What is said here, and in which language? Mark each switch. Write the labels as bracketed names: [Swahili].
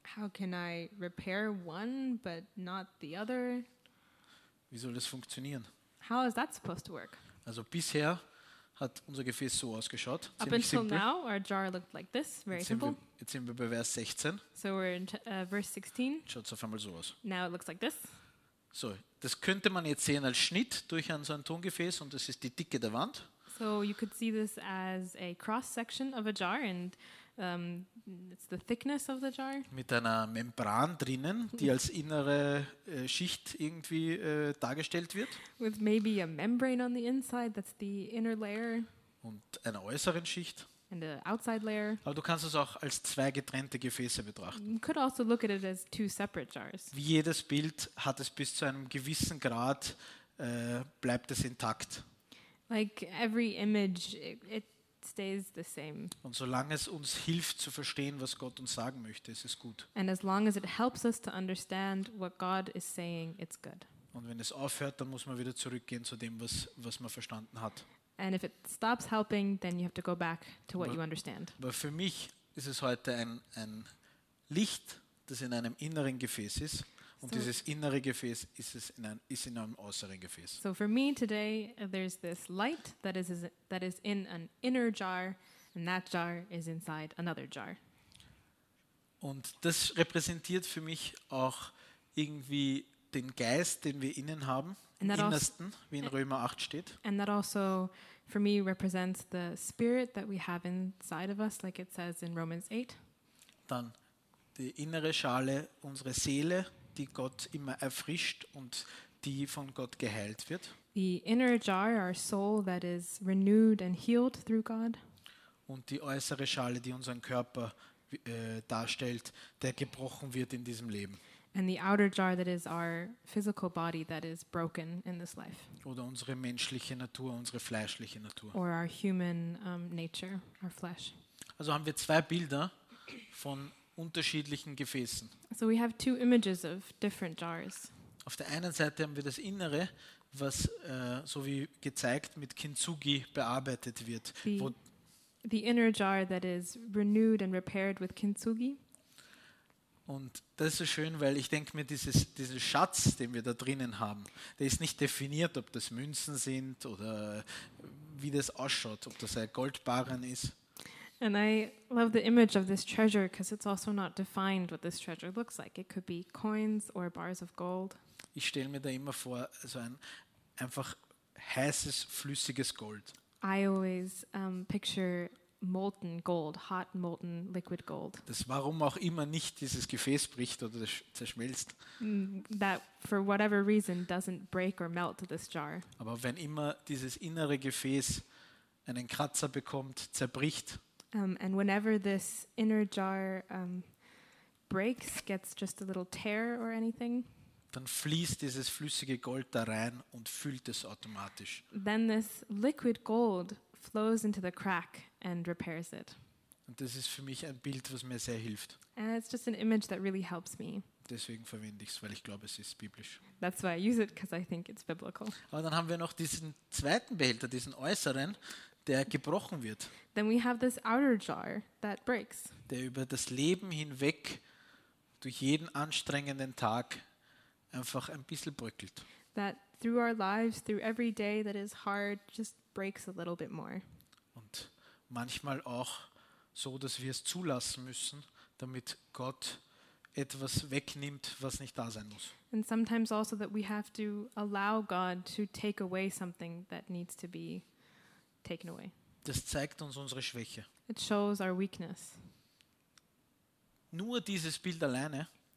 [English] How can I repair one but not the other? [German] Wie soll das funktionieren? [English] How is that supposed to work? [German] Also bisher hat unser Gefäß so ausgeschaut. [English] Up until [German] simpel. [English] Now, our jar looked like this, very [German] jetzt [English] simple. [German] Jetzt sind wir bei Vers 16. [English] So we're in verse 16. [German] Schaut auf einmal so aus. [English] Now it looks like this. [German] So, das könnte man jetzt sehen als Schnitt durch ein, so ein Tongefäß und das ist die Dicke der Wand. [English] So you could see this as a cross-section of a jar and it's the thickness of the jar. [German] Mit einer Membran drinnen, die als innere Schicht irgendwie dargestellt wird. [English] With maybe a membrane on the inside, that's the inner layer. [German] Und einer äußeren Schicht. [English] And the outside layer. [German] Aber du kannst es auch als zwei getrennte Gefäße betrachten. [English] You could also look at it as two separate jars. [German] Wie jedes Bild hat es bis zu einem gewissen Grad, bleibt es intakt. [English] Like every image, it stays the same. [German] Und solange es uns hilft zu verstehen, was Gott uns sagen möchte, ist es gut. [English] And as long as it helps us to understand what God is saying, it's good. [German] Und wenn es aufhört, dann muss man wieder zurückgehen zu dem, was man verstanden hat. [English] And if it stops helping, then you have to go back to what you understand. [German] Aber für mich ist es heute ein Licht, das in einem inneren Gefäß ist. Und dieses innere Gefäß ist in einem äußeren Gefäß. [English] So for me today, there's this light that is in an inner jar, and that jar is inside another jar. [German] Und das repräsentiert für mich auch irgendwie den Geist, den wir innen haben, im Innersten, wie in Römer 8 steht. [English] And that also for me represents the spirit that we have inside of us, like it says in Romans 8. [German] Dann die innere Schale, unsere Seele, die Gott immer erfrischt und die von Gott geheilt wird. [English] The inner jar, our soul that is renewed and healed through God. [German] Und die äußere Schale, die unseren Körper darstellt, der gebrochen wird in diesem Leben. [English] And the outer jar that is our physical body that is broken in this life. [German] Oder unsere menschliche Natur, unsere fleischliche Natur. [English] Or our human nature, our flesh. [German] Also haben wir zwei Bilder von unterschiedlichen Gefäßen. [English] So we have two images of different jars. [German] Auf der einen Seite haben wir das Innere, was so wie gezeigt mit Kintsugi bearbeitet wird. [English] The inner jar that is renewed and repaired with Kintsugi. [German] Und das ist so schön, weil ich denke mir, diesen Schatz, den wir da drinnen haben, der ist nicht definiert, ob das Münzen sind oder wie das ausschaut, ob das ein Goldbarren ist. [English] And I love the image of this treasure because it's also not defined what this treasure looks like. It could be coins or bars of gold. [German] Ich stelle mir da immer vor, so ein einfach heißes, flüssiges Gold. [English] I always picture molten gold, hot molten liquid gold. [German] Das warum auch immer nicht dieses Gefäß bricht oder zerschmilzt. [English] That for whatever reason doesn't break or melt this jar. [German] Aber wenn immer dieses innere Gefäß einen Kratzer bekommt, zerbricht. [English] And whenever this inner jar breaks, gets just a little tear or anything, [German] dann fließt dieses flüssige Gold da rein und füllt es automatisch. [English] Then this liquid gold flows into the crack and repairs it. [German] Und das ist für mich ein Bild, was mir sehr hilft. [English] And it's just an image that really helps me. [German] Deswegen verwende ich es, weil ich glaube, es ist biblisch. [English] That's why I use it, because I think it's biblical. [German] Aber dann haben wir noch diesen zweiten Behälter, diesen äußeren, der gebrochen wird. [English] Then we have this outer jar that breaks. [German] Der über das Leben hinweg durch jeden anstrengenden Tag einfach ein bisschen bröckelt. [English] That through our lives, through every day that is hard, just breaks a little bit more. [German] Und manchmal auch so, dass wir es zulassen müssen, damit Gott etwas wegnimmt, was nicht da sein muss. [English] And sometimes also that we have to allow God to take away something that needs to be taken away. [German] Das zeigt uns unsere Schwäche. [English] It shows our weakness. [German] Nur dieses Bild alleine.